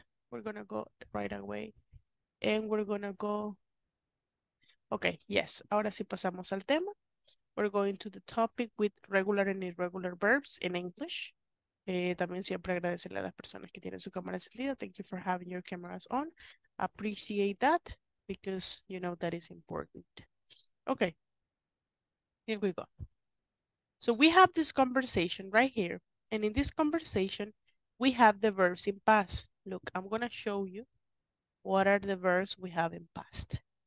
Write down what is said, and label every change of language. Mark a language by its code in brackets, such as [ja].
[en] We're going to the topic with regular and irregular verbs in English. [es] También siempre agradecerle a las personas que tienen su cámara encendida. [en] Thank you for having your cameras on. Appreciate that because you know that is important. Okay, here we go. So we have this conversation right here. And in this conversation, we have the verbs in past. Look, I'm going to show you what are the verbs we have in past.